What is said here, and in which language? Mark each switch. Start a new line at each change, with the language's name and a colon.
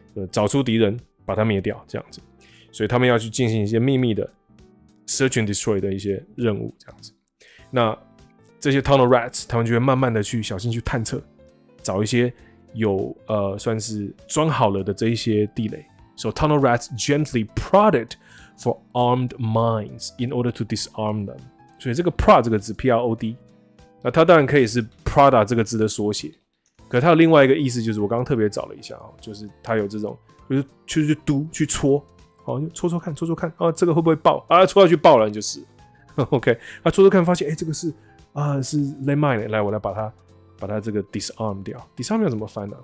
Chinese: 找出敌人，把他灭掉，这样子。所以他们要去进行一些秘密的
English: search and destroy
Chinese: 的一些任务，这样子。那这些 tunnel rats 他们就会慢慢的去小心去探测，找一些有算是装好了的这一些地雷。
English: So tunnel rats gently prodded for armed mines in order to disarm them。
Chinese: 所以这个 prod 这个字 ，prod， 那它当然可以是 Prada 这个字的缩写，可它有另外一个意思，就是我刚刚特别找了一下啊，就是它有这种，就是去嘟去戳，好，就戳戳看，戳戳看啊，这个会不会爆啊？戳下去爆了就是 ，OK， 啊，戳戳看，发现哎、欸，这个是啊是 landmine， 来我来把它这个 disarm 掉 ，disarm 要怎么翻呢、啊？